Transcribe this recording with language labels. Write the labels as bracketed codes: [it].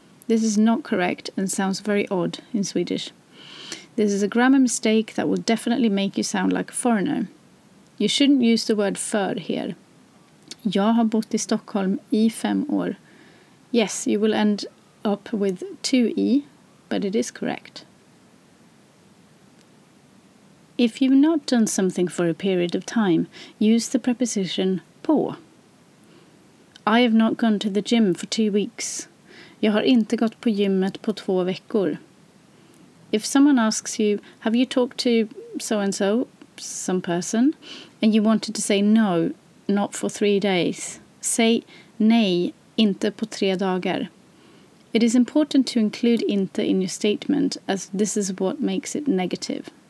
[en] This is not correct and sounds very odd in Swedish. This is a grammar mistake that will definitely make you sound like a foreigner. You shouldn't use the word för here. [sv] Jag har bott I Stockholm I 5 år. [en] Yes, you will end up with 2 e, but it is correct. If you've not done something for a period of time, use the preposition på. I have not gone to the gym for 2 weeks. [sv] Jag har inte gått på gymmet på 2 veckor. [en] If someone asks you, have you talked to so-and-so, some person, and you wanted to say no, not for 3 days, say [sv] nej, inte på 3 dagar. [en] It is important to include inte in your statement, as this is what makes it negative.